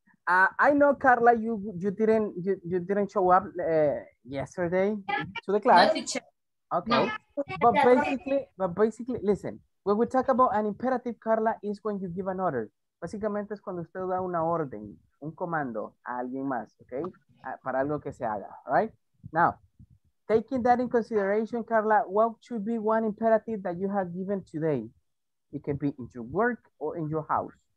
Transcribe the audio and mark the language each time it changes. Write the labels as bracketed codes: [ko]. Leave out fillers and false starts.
[en] I know, Carla, you didn't show up yesterday to the class. Okay. But basically, listen, when we talk about an imperative, Carla, is when you give an order. [es] Básicamente es cuando usted da una orden, un comando a alguien más, okay? Para algo que se haga, right? [en] Now, taking that in consideration, Carla, what should be one imperative that you have given today? It can be in your work or in your house.